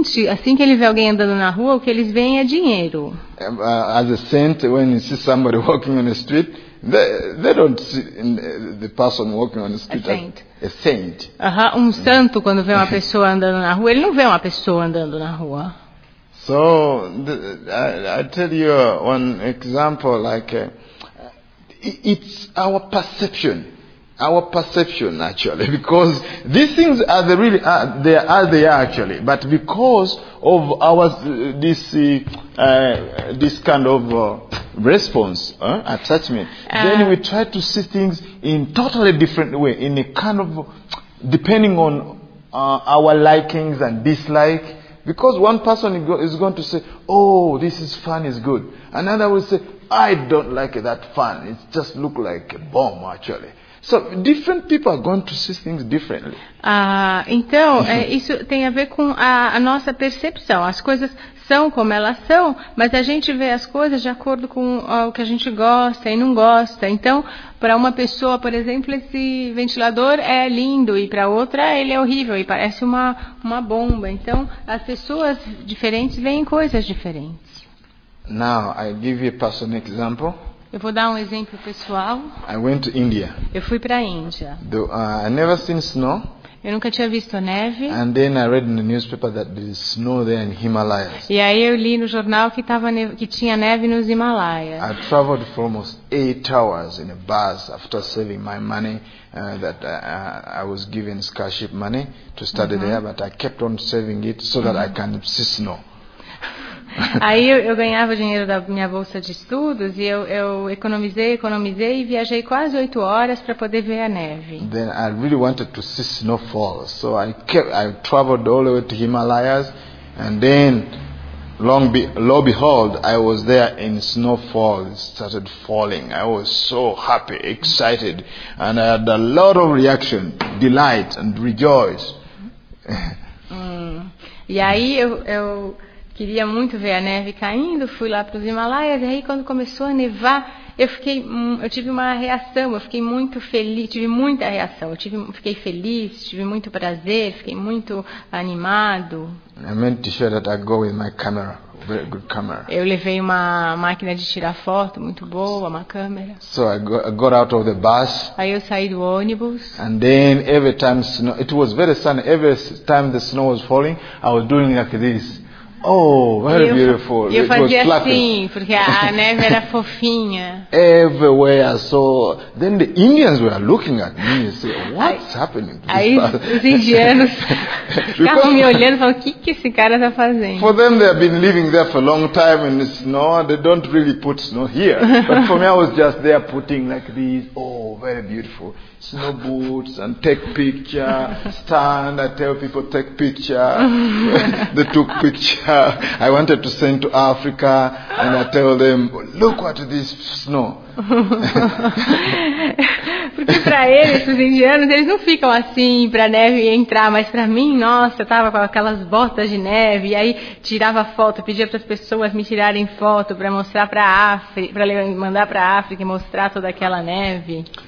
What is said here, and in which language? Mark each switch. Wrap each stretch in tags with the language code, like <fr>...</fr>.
<pt>Assim que ele vê alguém andando na rua, o que eles veem é dinheiro.</pt> <en>As a saint, when you see somebody walking on the street, they don't see the person walking on the street. A saint.</en> <pt>Um santo, quando vê uma pessoa andando na rua, ele não vê uma pessoa andando na rua.</pt> <en>So I tell you one example, like it's our perception. Our perception, actually, because these things are the really they are they are actually, but because of our this kind of response, attachment, then we try to see things in totally different way, in a kind of depending on our likings and dislike. Because one person is going to say, "Oh, this is fun, is good." Another will say, "I don't like that fun. It just look like a bomb, actually." So different people are going to see things differently.</en> <pt>Então, isso tem a ver com a nossa percepção. As coisas são como elas são, mas a gente vê as coisas de acordo com o que a gente gosta e não gosta. Então, para uma pessoa, por exemplo, esse ventilador é lindo, e para outra ele é horrível e parece uma bomba. Então, as pessoas diferentes veem coisas diferentes.</pt> <en>Now, I give you a personal example.</en> <pt>Eu vou dar um exemplo pessoal.</pt> <en>I went to India.</en> <pt>Eu fui para a Índia.</pt> <en>I never seen snow.</en> <pt>Eu nunca tinha visto neve.</pt> <en>And then I read in the newspaper that there is snow there in Himalayas.</en> <pt>E aí eu li no jornal que tinha neve nos Himalaias.</pt> <en>I traveled for almost 8 hours in a bus after saving my money that I was given scholarship money to study there, but I kept on saving it so that I can see snow.</en> <pt>Aí eu ganhava dinheiro da minha bolsa de estudos e eu economizei e viajei quase 8 horas para poder ver a neve.</pt> <en>Then I really wanted to see snowfall, so I traveled all the way to Himalayas, and then lo behold, I was there in snowfall. It started falling. I was so happy, excited, and I had a lot of reaction, delight and rejoice.</en> <pt>E aí eu queria muito ver a neve caindo, fui lá para os Himalaias, e aí quando começou a nevar, eu fiquei muito feliz, tive muito prazer, fiquei muito animado.</pt> <en>I meant to show that I go with my camera. very good camera.</en> <pt>Eu levei uma máquina de tirar foto muito boa, uma câmera.</pt> <en>So I got out of the bus.</en> <pt>Aí eu saí do ônibus.</pt> <en>And then every time snow, it was very sunny. Every time the snow was falling, I was doing like this. Oh, very</en> <pt>eu,</pt> <en>beautiful.</en> <pt>Eu fazia assim, porque a neve era fofinha.</pt> <en>Everywhere I saw. Then the Indians were looking at me and say, what's happening?</en> <pt>Aí os indianos ficavam me olhando e falavam, o que, que esse cara está fazendo?</pt> <en>For them, they have been living there for a long time and it's snow. They don't really put snow here. But for me, I was just there putting like this. Oh, very beautiful. Snow boots and take picture. Stand, I tell people, take picture. They took picture. I wanted to send to Africa and I tell them, look at this snow.</en> <pt>Porque para eles, os indianos, eles não ficam assim para a neve entrar, mas para mim, nossa, eu tava com aquelas botas de neve e aí tirava foto, pedia para as pessoas me tirarem foto para mostrar para a África, para mandar para a África e mostrar toda aquela neve.</pt>